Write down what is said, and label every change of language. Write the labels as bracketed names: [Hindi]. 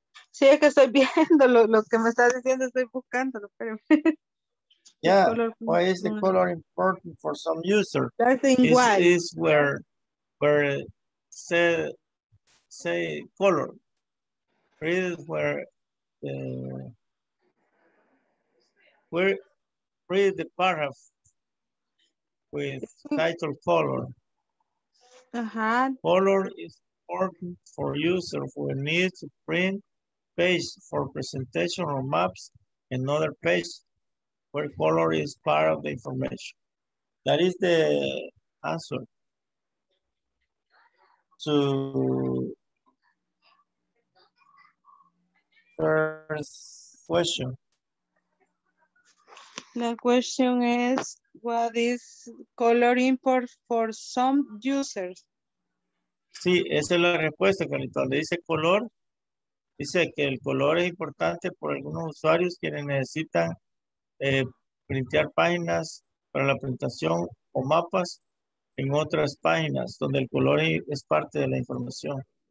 [Spanish] Sí, es que estoy viendo lo que me estás diciendo, estoy buscándolo, pero... [English] Yeah, color... why is the color important for some user? I think is, why. Is where say color. Read it where read the paragraph with title color. Uh-huh. Color is important for users who need to print page for presentation or maps, another page where color is part of the information. That is the answer to first question. The question is, what is color import for some users? [Spanish] Sí, esa es la respuesta, Carlita. Le dice color. Dice que el color es importante por algunos usuarios quienes necesitan printear páginas para la presentación o mapas en otras páginas donde el color es parte de la información.